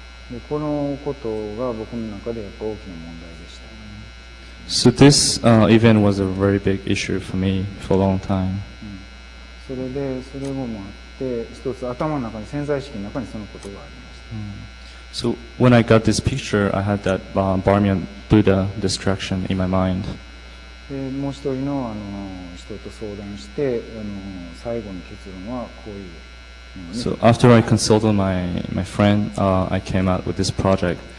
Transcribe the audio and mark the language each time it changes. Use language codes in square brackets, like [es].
[ja] でこのことが僕の中でやっぱ大きな問題でした。 [en] So this event was a very big issue for me for a long time.、うん、 [ja] それでそれもあって一つ頭の中に潜在意識の中にそのことがありました。うん、 [en] so when I got this picture, I had that Bamiyan Buddha destruction in my mind. [ja] でもう一人の人と相談して最後の結論はこういう。 [en] So after I consulted my friend, I came out with this project.